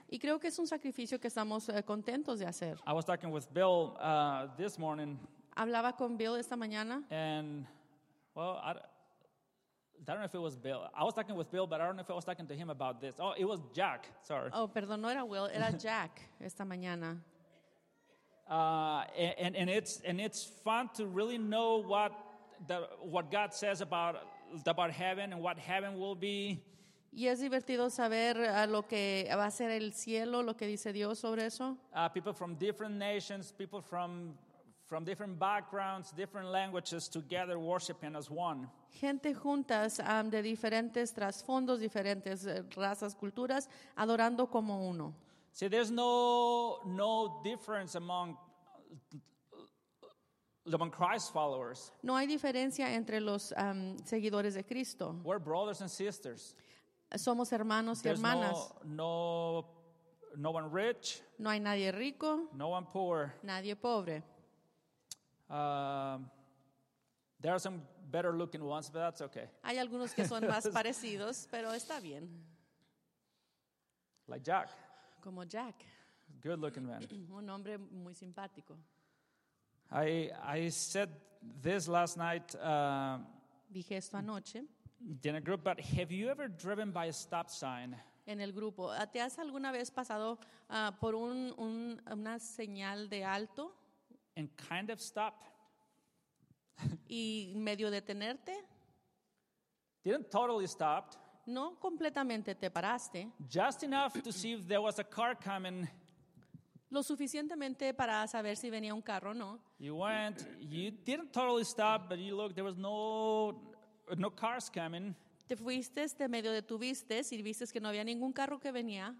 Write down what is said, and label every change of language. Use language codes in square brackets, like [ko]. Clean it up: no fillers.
[es] Y creo que es un sacrificio que estamos contentos de hacer. [en] I was talking with Bill this morning. [es] Hablaba con Bill esta mañana. [en] And well, I don't know if it was Bill. I was talking with Bill, but I don't know if I was talking to him about this. Oh, it was Jack. Sorry. [es] Oh, perdón, no era Will. Era Jack esta mañana. [en] And it's fun to really know what God says about heaven and what heaven will be. [es] Y es divertido saber lo que va a ser el cielo, lo que dice Dios sobre eso. [en] People from different nations, people from different backgrounds, different languages, together worshiping as one. [es] Gente juntas de diferentes trasfondos, diferentes razas, culturas, adorando como uno. [en] See, there's no difference among Christ followers. [es] No hay diferencia entre los seguidores de Cristo. [en] We're brothers and sisters. [es] Somos hermanos y hermanas. [en] No one rich. [es] No hay nadie rico. [en] No one poor. [es] Nadie pobre. [en] There are some better looking ones, but that's okay. [es] Hay algunos que son más parecidos, pero está bien. [en] Like Jack. [es] Como Jack. [en] Good looking man. [es] Un hombre muy simpático. [en] I said this last night. [es] Dije esto anoche. [en] In a group, but have you ever driven by a stop sign? [es] En el grupo, ¿te has alguna vez pasado por una señal de alto? [en] And kind of stop. [es] Y medio detenerte. [en] Didn't totally stop. [es] No completamente te paraste. [en] Just enough to see if there was a car coming. [es] Lo suficientemente para saber si venía un carro o no. [en] You went. You didn't totally stop, but you looked. There was no cars coming. [es] Te fuiste, te medio detuviste y viste que no había ningún carro que venía.